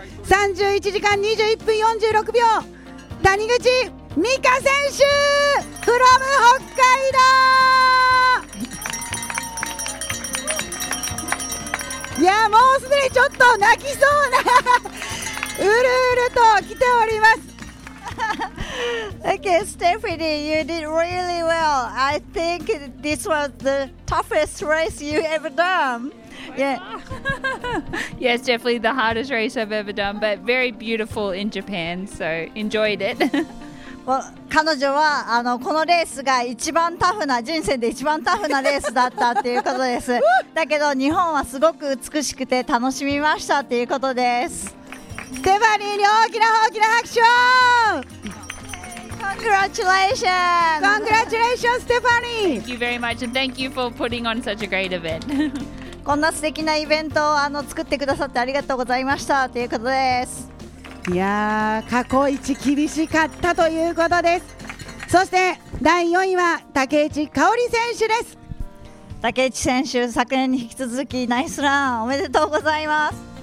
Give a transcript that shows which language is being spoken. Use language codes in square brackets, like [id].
[ja] 31時間21分46秒谷口美香選手 from 北海道。いやもうすでにちょっと泣きそうなうるうると来ております。 [en] Okay, Stephanie, you did really well. I think this was the toughest race you ever done. Yeah. Yes, definitely the hardest race I've ever done, but very beautiful in Japan, so enjoyed it. [ja] Well, 彼女はあのこのレースが一番タフな、人生で一番タフなレースだったっていうことです。だけど日本はすごく美しくて楽しみましたっていうことです。ステファニーに大きな大きな拍手。 [en] Congratulations! Congratulations, Stephanie! Thank you very much, and thank you for putting on such a great event. [ja] こんな素敵なイベントをあの作ってくださってありがとうございましたということです。いやー、過去一厳しかったということです。そして第4位は竹内香織選手です。竹内選手、昨年に引き続きナイスラン、おめでとうございます。